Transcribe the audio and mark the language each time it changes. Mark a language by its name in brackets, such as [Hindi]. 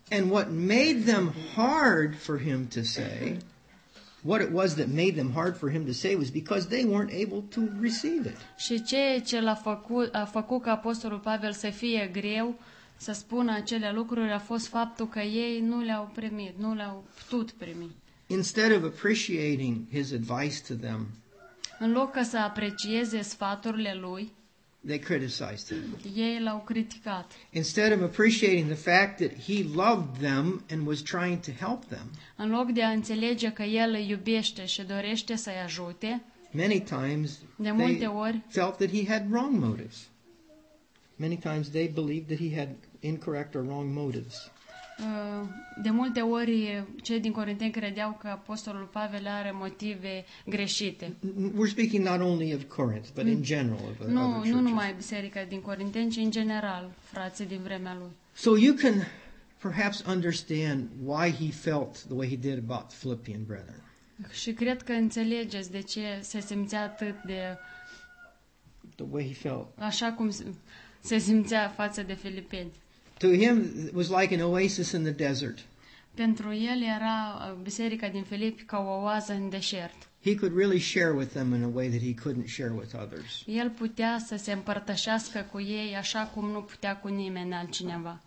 [English] And what made them hard for him to say, what it was that made them hard for him to say was because they weren't able to receive it. [Romanian] Și ceea ce l-a făcut ca apostolul Pavel să fie greu să spună acele lucruri a fost faptul că ei nu le-au primit, nu le-au putut primi. [English] Instead of appreciating his advice to them, [Romanian] în loc ca să aprecieze sfaturile lui, [English] they criticized him. [Romanian] Ei l-au criticat. [English] Instead of appreciating the fact that he loved them and was trying to help them, [Romanian] în loc de a înțelege că el îi iubește și dorește să-i ajute, [English] many times [Romanian] de multe ori, [English] they felt that he had wrong motives. Many times they believed that he had incorrect or wrong motives. [Romanian] De multe ori cei din Corinteni credeau că apostolul Pavel are motive greșite. [English] We're speaking not only of Corinth, but in general of [Romanian] Nu, nu numai biserica din Corinteni, ci în general, frații din vremea lui. [English] So you can perhaps understand why he felt the way he did about the Philippian brethren. [Romanian] Și cred că înțelegeți de ce se simțea atât de [English] the way he felt. [Romanian] Așa cum se simțea față de filipeni. [English] To him it was like an oasis in the desert. [Romanian] Pentru el era biserica din Filipi ca o oază în deșert. [English] He could really share with them in a way that he couldn't share with others. [Romanian] El putea să se împărtășească cu ei așa cum nu putea cu nimeni altcineva.